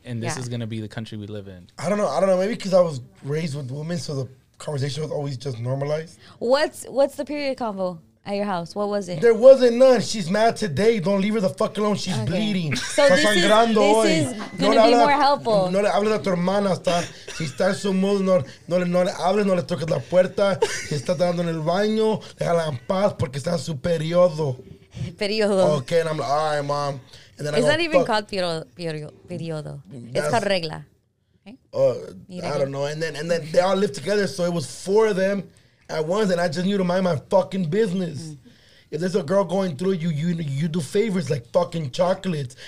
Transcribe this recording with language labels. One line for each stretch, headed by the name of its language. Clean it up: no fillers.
English: And this is going to be the country we live in. I don't know. Maybe because I was raised with women, so the conversation was always just normalized. What's the period convo? At your house, what was it? There wasn't none. She's mad today. Don't leave her the fuck alone. She's bleeding. So this is gonna be more helpful.
Spanish: No le hables a tu hermana, está. Si está en su mood, no le hables, no le toques la puerta. Si está dando en el baño, déjala en paz porque está en su periodo. Periodo.
English: Okay, and I'm like, all right, mom. And then it's not even called periodo. It's called regla. Okay. I don't know. And then they all lived together, so it was four of them. At once, and I just knew to mind my fucking business. Mm-hmm. If there's a girl going through you do favors like fucking chocolates.